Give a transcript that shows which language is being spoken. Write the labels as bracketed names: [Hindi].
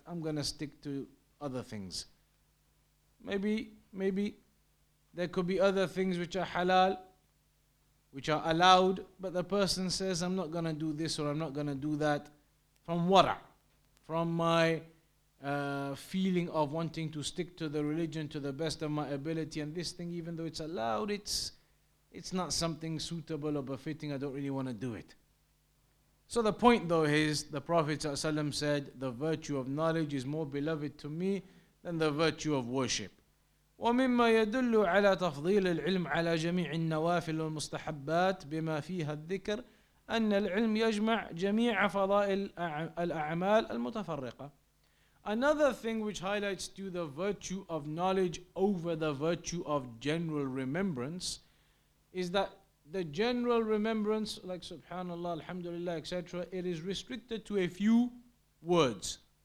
[English] I'm going to stick to other things. Maybe there could be other things which are halal, which are allowed, but the person says, I'm not going to do this or I'm not going to do that from wara, from my feeling of wanting to stick to the religion to the best of my ability, and this thing, even though it's allowed, it's not something suitable or befitting, I don't really want to do it. So the point though is, the Prophet ﷺ said, the virtue of knowledge is more beloved to me than the virtue of worship. [Arabic] ومما يدل على تفضيل العلم على جميع النوافل والمستحبات بما فيها الذكر أن العلم يجمع جميع فضائل الأعمال المتفرقة. [English] Another thing which highlights to the virtue of knowledge over the virtue of general remembrance is that the general remembrance, like subhanallah, alhamdulillah, etc., it is restricted to a few words.